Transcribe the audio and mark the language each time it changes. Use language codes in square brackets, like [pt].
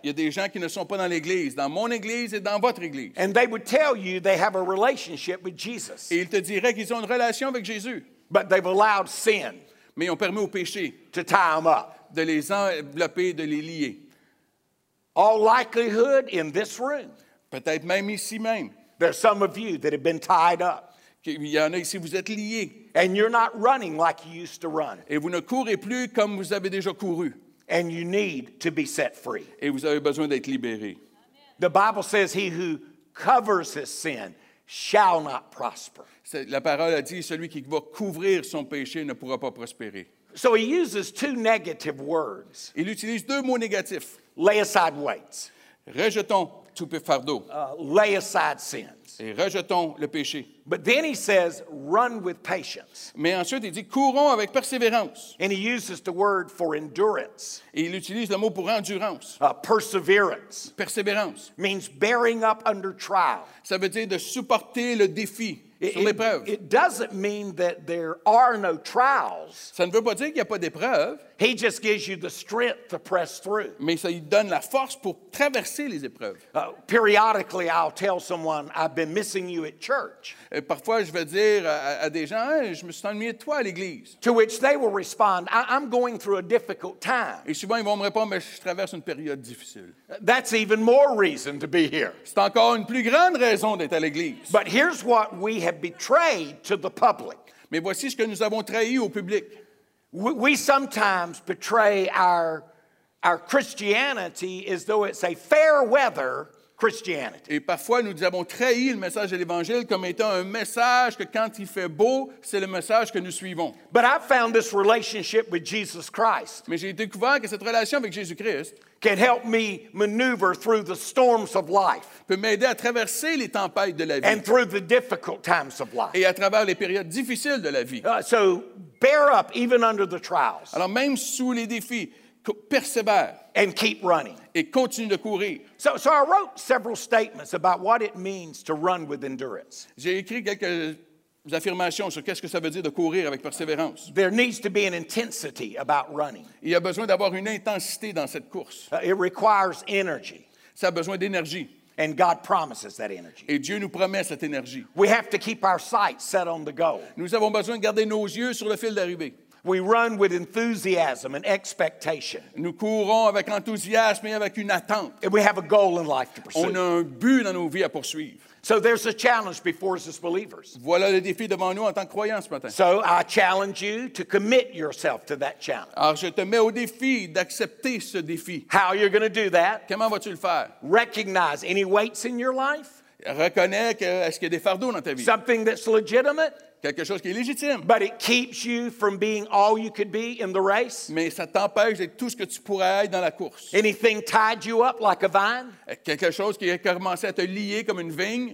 [fr] Il y a des gens qui ne sont pas dans l'église, dans mon église et dans votre église. [en] And they would tell you they have a relationship with Jesus. [fr] Et ils te diraient qu'ils ont une relation avec Jésus. [en] But they've allowed sin. [fr] Mais ils ont permis au péché [en] to tie them up. [fr] De les envelopper, de les lier. [en] All likelihood in this room. [fr] Peut-être même ici même. [en] There are some of you that have been tied up. [fr] Il y en a ici, vous êtes liés. [en] And you're not running like you used to run. [fr] Et vous ne courez plus comme vous avez déjà couru. [en] And you need to be set free. [fr] Et vous avez besoin d'être libéré. [en] The Bible says he who covers his sin shall not prosper. [fr] La parole a dit, celui qui va couvrir son péché ne pourra pas prospérer. [en] So he uses two negative words. [fr] Il utilise deux mots négatifs. [en] Lay aside weights. [fr] Rejetons tout fardeau. [en] Lay aside sins. [fr] Et rejetons le péché. [en] But then he says, run with patience. [fr] Mais ensuite, il dit, courons avec persévérance. [en] And he uses the word for endurance. [fr] Et il utilise le mot pour endurance. [en] Perseverance. [fr] Persévérance. [en] Means bearing up under trial. [fr] Ça veut dire de supporter le défi. [en] It doesn't mean that there are no trials. [fr] Ça ne veut pas dire qu'il n'y a pas d'épreuves. [en] He just gives you the strength to press through. [fr] Mais ça lui donne la force pour traverser les épreuves. [en] Periodically, I'll tell someone, I've been missing you at church. [fr] Et parfois, je vais dire à des gens, hey, je me suis ennuyé de toi à l'église. [en] To which they will respond, I'm going through a difficult time. [fr] Et souvent, ils vont me répondre, mais je traverse une période difficile. [en] That's even more reason to be here. [fr] C'est encore une plus grande raison d'être à l'église. [en] But here's what we have betrayed to the public. [fr] Mais voici ce que nous avons trahi au public. [en] We sometimes betray our Christianity as though it's a fair weather Christianity. [fr] Et parfois nous avons trahi le message de l'évangile comme étant un message que quand il fait beau, c'est le message que nous suivons. [en] But I found this relationship with Jesus Christ. [fr] Mais j'ai découvert que cette relation avec Jésus-Christ [en] can help me maneuver through the storms of life. [fr] Peut m'aider à traverser les tempêtes de la vie. [en] And through the difficult times of life. [fr] Et à travers les périodes difficiles de la vie. [en] So bear up even under the trials. [fr] Alors même sous les défis, persévère. [en] And keep running. [fr] Et continue de courir. [en] So I wrote several statements about what it means to run with endurance. [fr] J'ai écrit quelques affirmations sur qu'est-ce que ça veut dire de courir avec persévérance. [en] There needs to be an intensity about running. [fr] Il y a besoin d'avoir une intensité dans cette course. [en] It requires energy. [fr] Ça a besoin d'énergie. [en] And God promises that energy. [fr] Et Dieu nous promet cette énergie. [en] We have to keep our sights set on the goal. [fr] Nous avons besoin de garder nos yeux sur le fil d'arrivée. [en] We run with enthusiasm and expectation. [fr] Nous courons avec enthousiasme et avec une attente. [en] And we have a goal in life to pursue. [fr] On a un but dans nos vies à poursuivre. [en] So there's a challenge before us as believers. [fr] Voilà le défi devant nous en tant que croyants ce matin. [en] So I challenge you to commit yourself to that challenge. [fr] Alors je te mets au défi d'accepter ce défi. [en] How are you going to do that? [fr] Comment vas-tu le faire? [en] Recognize any weights in your life? [fr] Reconnais que est-ce qu'il y a des fardeaux dans ta vie? [en] Something that's legitimate? [fr] Quelque chose qui est légitime. [en] But it keeps you from being all you could be in the race. [fr] Mais ça t'empêche d'être tout ce que tu pourrais être dans la course. [en] Anything tied you up like a vine? [fr] Quelque chose qui a commencé à te lier comme une vigne.